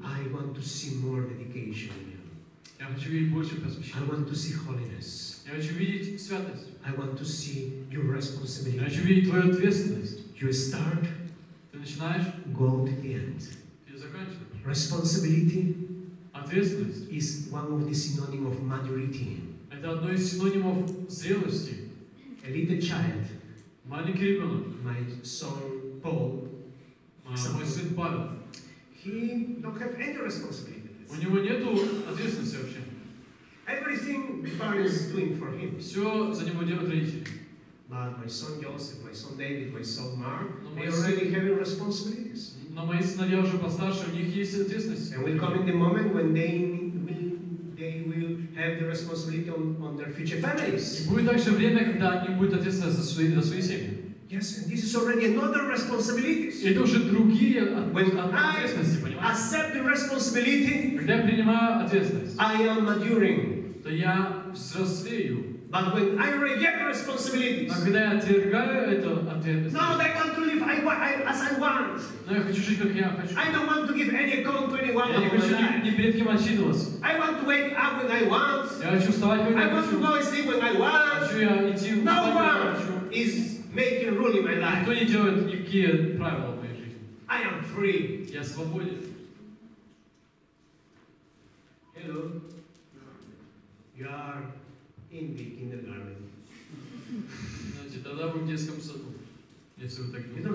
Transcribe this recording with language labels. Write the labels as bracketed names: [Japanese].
[English] I want to see more dedication in you. [Russian] Я хочу видеть больше посвящения. [English] I want to see holiness. [Russian] Я хочу видеть святость. [English] I want to see your responsibility. [Russian] Я хочу видеть твою ответственность. [English] You start. [Russian] Ты начинаешь. [English] Go to the end. [Russian] Ты заканчиваешь. [English] Responsibility. [Russian] Ответственность. [English] Is one of the synonym of maturity. [Russian] Это одно из синонимов зрелости. [English] A little child, [Russian] маленький ребенок, [English] my son Paul, [Russian] мой сын Павел, [English] he don't have any responsibilities. [Russian] У него нету ответственности вообще. [English] Everything the parents doing for him. [Russian] Все за него делают родители. [English] But my son Joseph, my son David, my son Mark, they already have responsibilities. [Russian] Но мои сыновья уже постарше, у них есть ответственность. [English] And will come in the moment when they will have the responsibility on their future families. [Russian] Будет также время, когда они будут ответственны за свои семьи. [English] Yes, and this is already another responsibility. [Russian] Это уже другие ответственности, понимаете? [English] Accept the responsibility. [Russian] Когда я принимаю ответственность. [English] I am maturing. [Russian] То я взрослею. [English] But when I reject responsibilities. [Russian] А когда я отвергаю эту ответственность. [English] No, I want to live as I want. [Russian] Но я хочу жить, как я хочу. [English] I don't want to give any account to anyone. [Russian] Я не хочу ни перед кем отчитываться. [English] I want to wake up when I want. [Russian] Я хочу вставать, когда [English] I want to go and sleep when I want. [Russian] Хочу я идти в [English] No one is making rule in my life. [Russian] Никто не делает никакие правила в моей жизни. [English] I am free. [Russian] Я свободен. [English] Hello. You are in the kindergarten. [Russian] Знаете, тогда вы в детском саду, если вы так думаете.